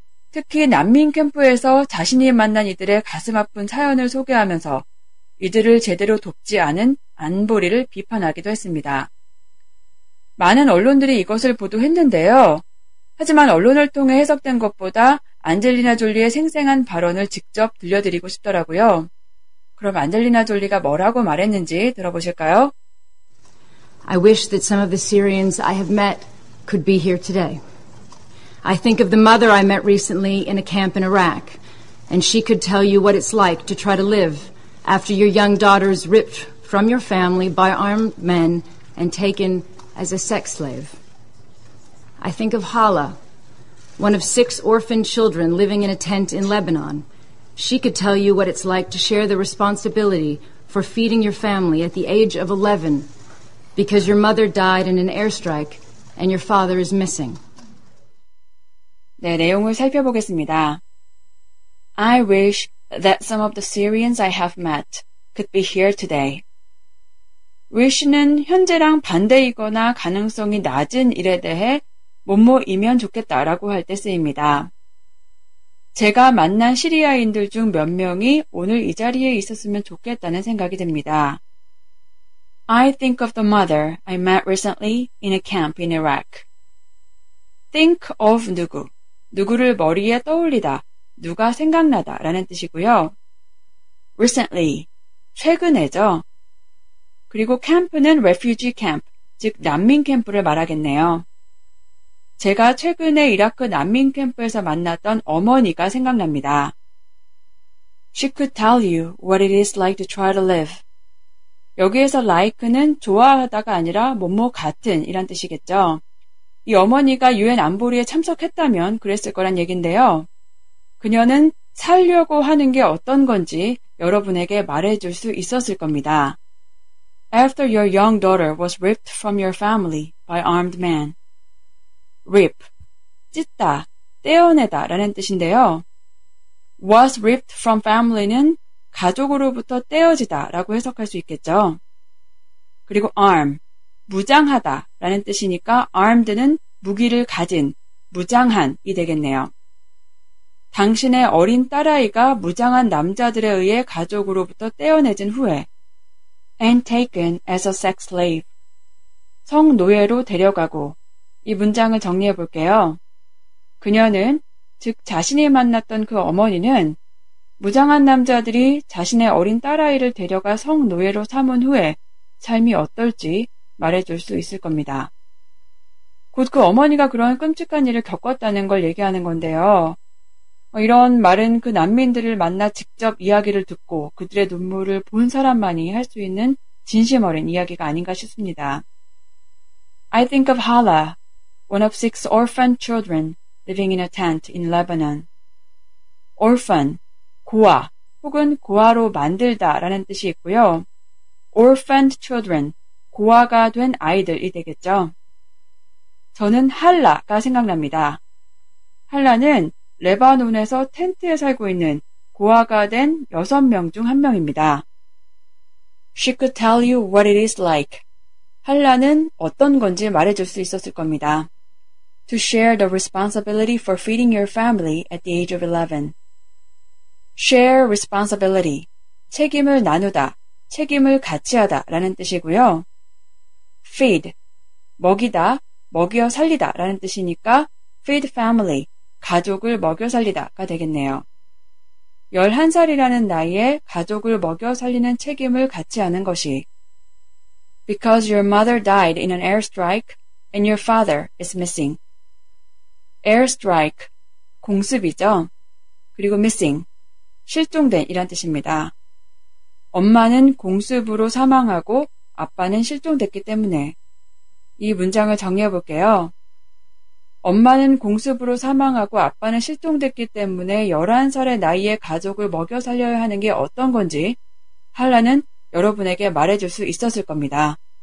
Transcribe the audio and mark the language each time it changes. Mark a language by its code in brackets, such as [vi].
[ko] 특히 난민 캠프에서 자신이 만난 이들의 가슴 아픈 사연을 소개하면서 이들을 제대로 돕지 않은 안보리를 비판하기도 했습니다. 많은 언론들이 이것을 보도했는데요. 하지만 언론을 통해 해석된 것보다 안젤리나 졸리의 생생한 발언을 직접 들려드리고 싶더라고요. 그럼 안젤리나 졸리가 뭐라고 말했는지 들어보실까요? [en] I wish that some of the Syrians I have met could be here today. I think of the mother I met recently in a camp in Iraq, and she could tell you what it's like to try to live after your young daughter's ripped from your family by armed men and taken as a sex slave. I think of Hala, one of six orphaned children living in a tent in Lebanon. She could tell you what it's like to share the responsibility for feeding your family at the age of 11 because your mother died in an airstrike and your father is missing. [ko] 네, 내용을 살펴보겠습니다. [en] I wish that some of the Syrians I have met could be here today. [ko] Wish는 현재랑 반대이거나 가능성이 낮은 일에 대해 뭐뭐이면 좋겠다라고 할 때 쓰입니다. 제가 만난 시리아인들 중 몇 명이 오늘 이 자리에 있었으면 좋겠다는 생각이 듭니다. [en] I think of the mother I met recently in a camp in Iraq. [ko] Think of 누구, 누구를 머리에 떠올리다, 누가 생각나다 라는 뜻이고요. [en] Recently, [ko] 최근에죠. 그리고 camp는 refugee camp, 즉 난민 캠프를 말하겠네요. 제가 최근에 이라크 난민 캠프에서 만났던 어머니가 생각납니다. [en] She could tell you what it is like to try to live. [ko] 여기에서 like는 좋아하다가 아니라 뭐뭐 같은 이란 뜻이겠죠. 이 어머니가 유엔 안보리에 참석했다면 그랬을 거란 얘긴데요. 그녀는 살려고 하는 게 어떤 건지 여러분에게 말해줄 수 있었을 겁니다. [en] After your young daughter was ripped from your family by armed men. [ko] Rip, 찢다, 떼어내다 라는 뜻인데요. [en] Was ripped from family는 [ko] 가족으로부터 떼어지다 라고 해석할 수 있겠죠. 그리고 arm, 무장하다 라는 뜻이니까 armed는 무기를 가진, 무장한 이 되겠네요. 당신의 어린 딸아이가 무장한 남자들에 의해 가족으로부터 떼어내진 후에 [en] and taken as a sex slave, [ko] 성노예로 데려가고 이 문장을 정리해 볼게요. 그녀는, 즉 자신이 만났던 그 어머니는 무장한 남자들이 자신의 어린 딸아이를 데려가 성노예로 삼은 후에 삶이 어떨지 말해줄 수 있을 겁니다. 곧 그 어머니가 그런 끔찍한 일을 겪었다는 걸 얘기하는 건데요. 이런 말은 그 난민들을 만나 직접 이야기를 듣고 그들의 눈물을 본 사람만이 할 수 있는 진심 어린 이야기가 아닌가 싶습니다. [en] I think of Hala. One of six orphaned children living in a tent in Lebanon. [ko] Orphan, 고아 혹은 고아로 만들다 라는 뜻이 있고요. Orphaned children, 고아가 된 아이들이 되겠죠. 저는 할라가 생각납니다. 할라는 레바논에서 텐트에 살고 있는 고아가 된 여섯 명 중 한 명입니다. [en] She could tell you what it is like. [ko] 할라는 어떤 건지 말해줄 수 있었을 겁니다. [en] To share the responsibility for feeding your family at the age of 11. [ko] share responsibility, 책임을 나누다, 책임을 같이 하다 라는 뜻이고요. feed, 먹이다, 먹여 살리다 라는 뜻이니까 feed family, 가족을 먹여 살리다가 되겠네요. 11살이라는 나이에 가족을 먹여 살리는 책임을 같이 하는 것이 [en] Because your mother died in an airstrike and your father is missing. [ko] Airstrike, 공습이죠. 그리고 missing, 실종된 이란 뜻입니다. 엄마는 공습으로 사망하고 아빠는 실종됐기 때문에 이 문장을 정리해 볼게요. 엄마는 공습으로 사망하고 아빠는 실종됐기 때문에 11살의 나이에 가족을 먹여 살려야 하는 게 어떤 건지 할라는 여러분에게 말해줄 수 있었을 겁니다.